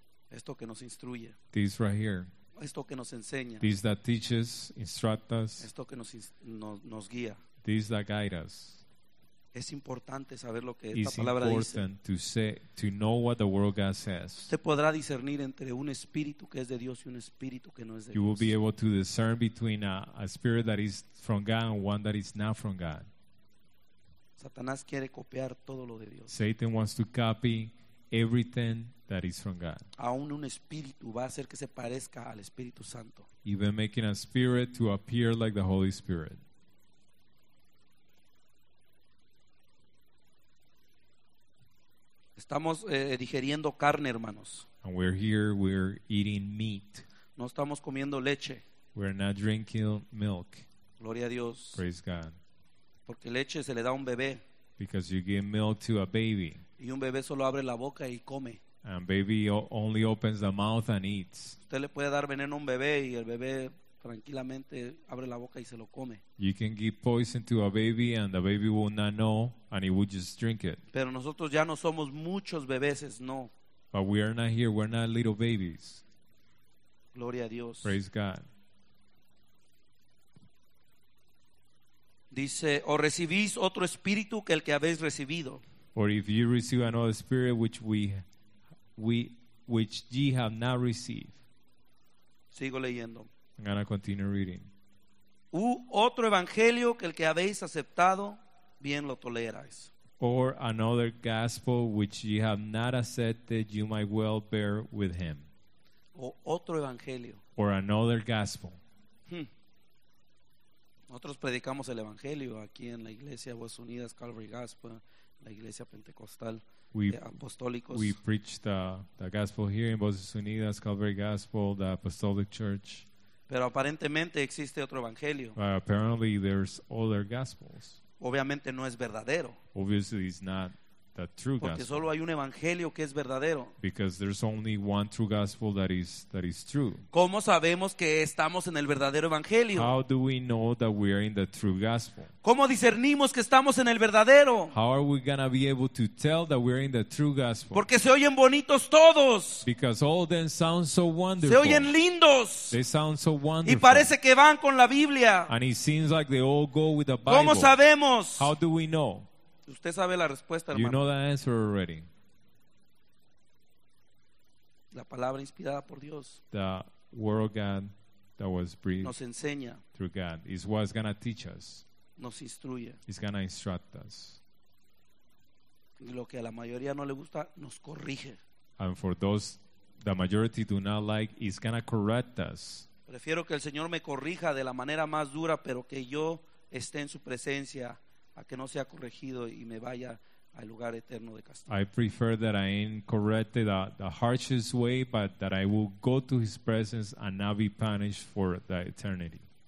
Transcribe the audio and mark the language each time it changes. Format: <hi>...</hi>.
<es>Esto que nos instruye.</es> <en>This right here.</en> <es>Esto que nos enseña.</es> <en>This that teaches, instruct us.</en> <es>Esto que nos nos guía.</es> <en>This that guide us.</en> <es>Es importante saber lo que</es> <en>It's</en> <es>esta palabra dice.</es> <en>It's important to say, to know what the word God says.</en> <es>Usted podrá discernir entre un espíritu que es de Dios y un espíritu que no es de</es> <en>you</en> <es>Dios.</es> <en>You will be able to discern between a spirit that is from God and one that is not from God.</en> <es>Satanás quiere copiar todo lo de Dios.</es> <en>Satan wants to copy everything that is from God.</en> <es>Aún un espíritu va a hacer que se parezca al Espíritu Santo.</es> <en>Even making a spirit to appear like the Holy Spirit.</en> <es>Estamos digiriendo carne, hermanos.</es> <en>And we're here, we're eating meat.</en> <es>No estamos comiendo leche.</es> <en>We're not drinking milk.</en> <es>Gloria a Dios.</es> <en>Praise God.</en> <es>Porque leche se le da a un bebé.</es> <en>Because you give milk to a baby.</en> <es>Y un bebé solo abre la boca y come.</es> <en>And baby only opens the mouth and eats.</en> <es>Usted le puede dar veneno a un bebé y el bebé tranquilamente abre la boca y se lo come.</es> <en>You can give poison to a baby and the baby will not know and he will just drink it.</en> <es>Pero nosotros ya no somos muchos bebés, no.</es> <en>But we are not here, we're not little babies.</en> <es>Gloria a Dios.</es> <en>Praise God.</en> <es>Dice, o recibís otro espíritu que el que habéis recibido.</es> <en>Or if you receive another spirit which ye have not received.</en> <es>Sigo leyendo.</es> <en>I'm going to continue reading.</en> <es>U otro evangelio que el que habéis aceptado, bien lo toleráis.</es> <en>Or another gospel which ye have not accepted, you might well bear with him.</en> <es>O otro evangelio.</es> <en>Or another gospel.</en> <es>Nosotros predicamos el evangelio aquí en la iglesia de Voces Unidas, Calvary Gospel. La iglesia pentecostal apostólicos.</es> <en>We preach the gospel here in Voces Unidas, Calvary Gospel, the Apostolic Church.</en> <es>Pero aparentemente existe otro evangelio.</es> <en>Apparently there's other gospels.</en> <es>Obviamente no es verdadero.</es> <en>Obviously it's not the true</en> <es>Porque Porque solo hay un evangelio que es verdadero.</es> <en>Because there's only one true gospel that is true.</en> <es>¿Cómo sabemos que estamos en el verdadero evangelio?</es> <en>How do we know that we are in the true gospel?</en> <es>¿Cómo discernimos que estamos en el verdadero?</es> <en>How are we gonna be able to tell that we're in the true gospel?</en> <es>Porque se oyen bonitos todos.</es> <en>Because all of them sound so wonderful.</en> <es>Se oyen lindos.</es> <en>They sound so wonderful.</en> <es>Y parece que van con la Biblia.</es> <en>And it seems like they all go with the Bible.</en> <es>¿Cómo sabemos?</es> <en>How do we know?</en> <es>Usted sabe la respuesta, hermano.</es> <en>You know the answer already.</en> <es>La palabra inspirada por Dios.</es> <en>The word of God that was breathed.</en> <es>Nos enseña.</es> <en>Through God is what's going to teach us.</en> <es>Nos instruye.</es> <en>It's going to instruct us.</en> <es>Y lo que a la mayoría no le gusta, nos corrige.</es> <en>And for those the majority do not like, it's going to correct us.</en> <es>Prefiero que el Señor me corrija de la manera más dura, pero que yo esté en su presencia. A que no sea corregido y me vaya al lugar eterno de castigo.</es> <en>I prefer that I ain't corrected the harshest way, but that I will go to his presence and not be punished for the eternity.</en>